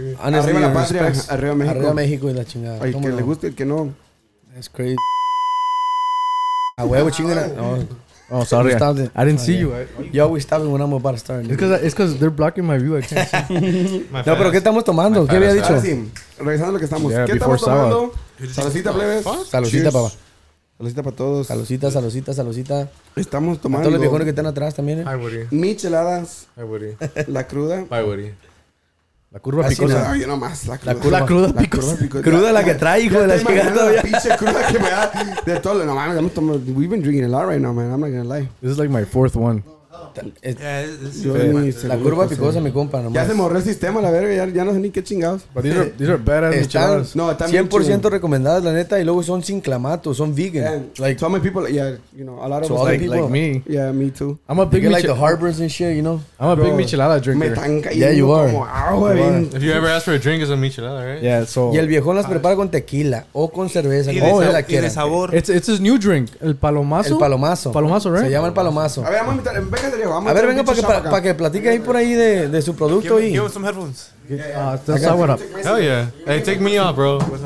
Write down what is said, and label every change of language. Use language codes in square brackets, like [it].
[en] Honestly, [es] arriba la patria, arriba México. Arriba México y la chingada. Ay, que le guste y que no. [en] That's crazy. [es] A huevo chingada. [en] Oh, sorry. I didn't see you. You always stop when I'm about to start. It's because they're blocking my view. I can't see. [es] No, pero ¿qué estamos tomando? ¿Qué había dicho? Regresando a lo que estamos. ¿Qué estamos tomando? Salucita, plebes. Salucita, papá. Saludita para todos. Saludita, saludita, saludita. Estamos tomando. Todos los viejones que están atrás también. [en] Hi, Woody. [es] Micheladas. [en] Hi, Woody. [es] La cruda. [en] Bye, Woody. [es] La curva picosa. Ay, no más. La curva picosa. Cruda la que trae, hijo de la chingada. La pinche cruda que me da. De todo lo. No mames, estamos tomando. [en] We've been drinking a lot right now, man. I'm not gonna lie. This is like my fourth one. [es] La curva picosa, mi compa. Nomás. Ya se morró el sistema, la verga. Ya no sé ni qué chingados. [en] Pero these are badass. [es] No, están 100% recomendadas, la neta. Y luego son sin clamato, son vegan. [en] Like, so many people, yeah, you know, a lot of people. Like me. Yeah, me too. I'm a big like the harbors and shit, you know. I'm a big michelada drinker. [es] Me están cayendo. [en] Yeah, you are. If you ever ask for a drink, it's a michelada, right? Yeah, so. [es] Y el viejón las prepara con tequila o con cerveza. Y de sabor. [en] It's his new drink, el palomazo. [es] El palomazo. [en] Palomazo, right? [es] Se llama el palomazo. A ver, vamos a invitar en vez. A ver, venga para que platique ahí por ahí de su producto. [en] Give him some headphones. Yeah. Sour up. Hell yeah. Hey, take me off, bro.